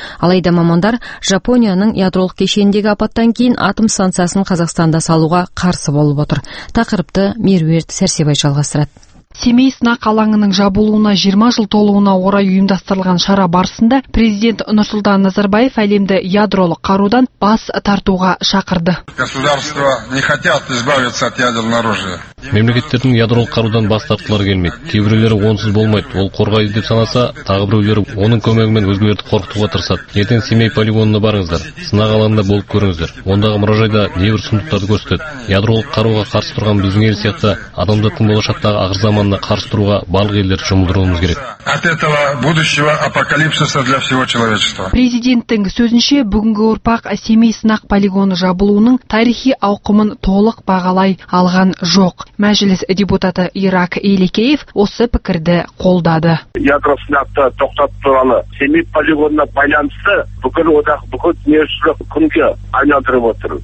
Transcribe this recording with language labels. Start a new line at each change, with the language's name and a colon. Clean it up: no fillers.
Kazakh: Алайда мамандар Жапонияның ядролық кешеніндегі апаттан кейін атом станциясын Қазақстанда салуға қарсы болып отыр. Тақырыпты Меруерт Сәрсебай жалғастырады. Семей сынақ алаңының жабылуына 20 жыл толуына орай ұйымдастырылған шара барысында президент Нұрсұлтан Назарбаев әлемді ядролық қарудан бас тартуға шақырды.
Russian: Государства не хотят избавиться от ядерного оружия.
Kazakh: Мемлекеттердің ядролық қарудан бас тартқылары келмейді. Кейбіреулері онсыз болмайды, ол қорғайды деп санаса, тағы біреулері оның көмегімен өзгелерді қорқытуға тырысады. Ертең Семей полигонына барыңыздар, сынақ алаңында болып көріңіздер. Ондағы мұражайда небір сұмдықтарды көрсетеді. Ядролық қаруға қарсы тұрған біздің ел сияқты адамдықтың болашақтағы ағыр заманына қарсы тұруға барлық елдерді жұмылдыруымыз керек.
Russian: От этого будущего апокалипсиса для всего человечества.
Kazakh: Президенттің сөзінше, бүгінгі ұрпақ Семей сынақ полигоны жабылуының тарихи ауқымын толық бағалай алған жоқ. Мәжіліс депутаты Ирак Елекеев осы пікірді қолдады. Ядро сынақты тоқтату туралы Семей полигонына байланысты бүкіл одақ, бүкіл дүниежүзілік күнге айналдырып отыр.